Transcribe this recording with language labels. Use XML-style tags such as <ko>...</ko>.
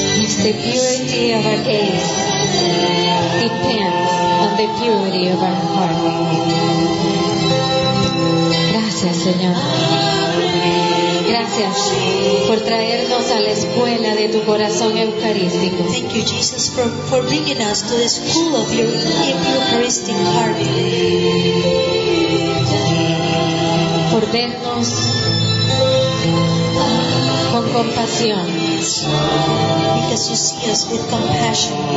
<en>The purity of our gaze depends on the purity of our heart.</en> <es>Gracias, Señor. Gracias. gracias por traernos a la escuela de tu corazón eucarístico.</es> <en>Thank you, Jesus, for bringing us to the school of your Eucharistic heart.</en> <es>Por vernos con compasión.</es> <en>Because you see us with compassion.</en>